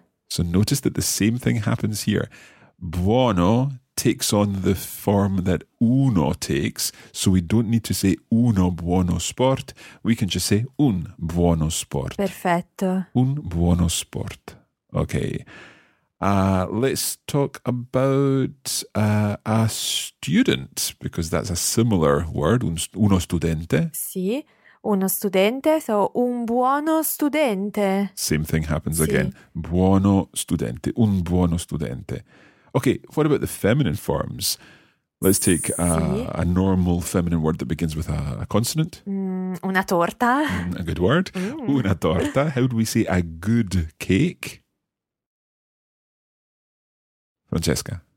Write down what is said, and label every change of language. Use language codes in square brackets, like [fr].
[en] So notice that the same thing happens here. Buono takes on the form that uno takes, so we don't need to say [it] uno buono sport, [en] we can just say [it] un buono sport. Perfetto. Un buono sport. Okay. [en] Let's talk about a student, because that's a similar word, [it] uno studente. Sì, uno studente, so un buono studente. [en] Same thing happens sì. Again. [it] Buono studente, un buono studente. [en] Okay, what about the feminine forms? Let's take a normal feminine word that begins with a consonant. [it] Una torta. [en] A good word. Mm. [it] Una torta. [en] How do we say a good cake? Francesca.